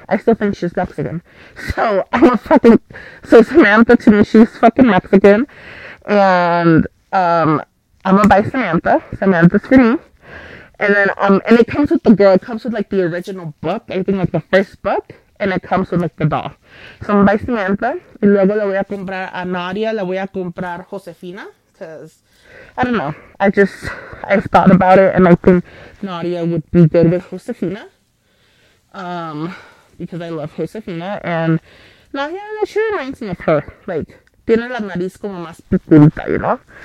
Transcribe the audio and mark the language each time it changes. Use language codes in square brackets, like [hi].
[en] I still think she's Mexican. So, I'm a fucking... So Samantha, to me, she's fucking Mexican. And, I'm gonna buy Samantha. Samantha's for me. And then, and it comes with the girl. It comes with, like, the original book. I think, like, the first book. And it comes with, like, the doll. So I'm gonna buy Samantha. [es] Y luego le voy a comprar a Nadia. Le voy a comprar Josefina. [en] Because... I don't know. I've thought about it, and I think Nadia would be good with Josefina. Because I love Josefina, and Nadia, she reminds me of her. Like, [es] tiene la nariz como más pequeñita, [en] you know?